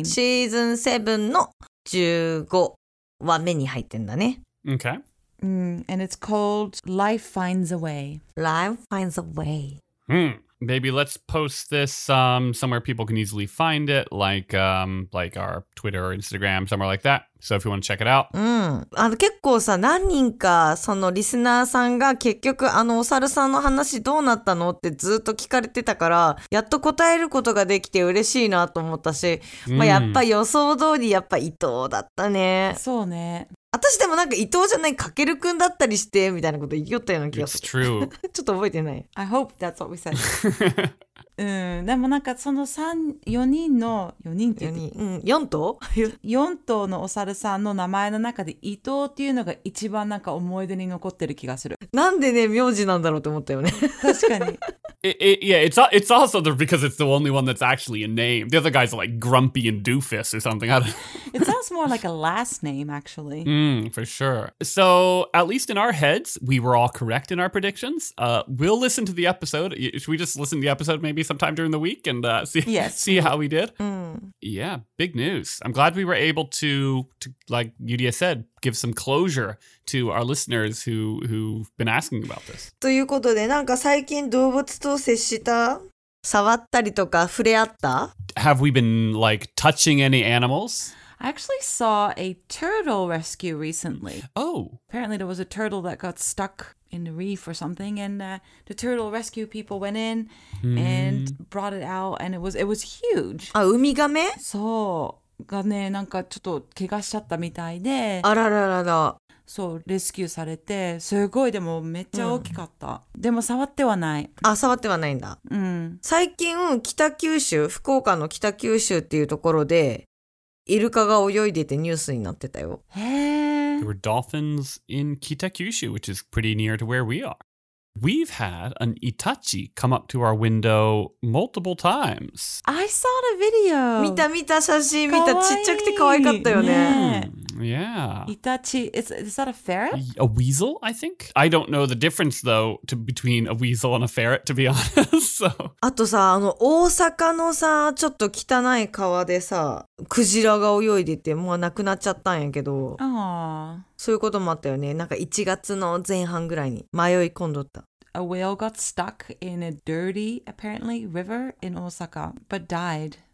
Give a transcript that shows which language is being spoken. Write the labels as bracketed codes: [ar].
[ja] Season 7の15話目に入ってんだね。 [en] Okay. And it's called Life Finds a Way. Life Finds a Way. Maybe let's post this somewhere people can easily find it, like our Twitter or Instagram, somewhere like that. So if you want to check it out. [ja] あの結構さ、何人かそのリスナーさんが結局あのお猿さんの話どうなったのってずっと聞かれてたから、やっと答えることができて嬉しいなと思ったし、まあやっぱ予想通りやっぱ伊藤だったね。そうね。私でもなんか伊藤じゃないかけるくんだったりしてみたいなこと言いよったような気がする。 [en] It's true. [ja] ちょっと覚えてない。 [en] I hope that's what we said. [ja] でもなんかその4人の、4人っていうか、4頭 ?4 頭のお猿さんの名前の中で伊藤っていうのが一番なんか思い出に残ってる気がする。なんでね、苗字なんだろうと思ったよね。確かに。 [en] It's also the, because it's the only one that's actually a name. The other guys are like Grumpy and Doofus or something. I don't know. It sounds more like a last name, actually. For sure. So, at least in our heads, we were all correct in our predictions. We'll listen to the episode. Should we just listen to the episode maybe sometime during the week and see how we did? Mm. Yeah, big news. I'm glad we were able to, like Yuria said, give some closure to our listeners who've been asking about this. [ja] ということで、なんか最近動物と接した、触ったりとか触れ合った? [en] Have we been like touching any animals? I actually saw a turtle rescue recently. Oh. Apparently there was a turtle that got stuck in the reef or something, and the turtle rescue people went in and brought it out, and it was huge. [ja] あ、ウミガメ? そう。がね、なんかちょっと怪我しちゃったみたいで、あらららら、そうレスキューされて、すごいでもめっちゃ大きかった。でも触ってはない。あ、触ってはないんだ。うん。最近北九州、福岡の北九州っていうところでイルカが泳いでてニュースになってたよ。へえ。 [en] There were dolphins in Kitakyushu, which is pretty near to where we are. We've had an Itachi come up to our window multiple times. I saw the video. [ja] 見た見た写真見た。ちっちゃくて可愛かったよね。 [en] Yeah. Itachi. Is that a ferret? A weasel, I think. I don't know the difference, though, between a weasel and a ferret, to be honest. So. [ja] あとさ、あの大阪のさ、ちょっと汚い川でさ、クジラが泳いでて、もう亡くなっちゃったんやけど。ああ。そういうこともあったよね。なんか1月の前半ぐらいに迷い込んどった。 [en] A whale got stuck in a dirty, apparently, river in Osaka, but died.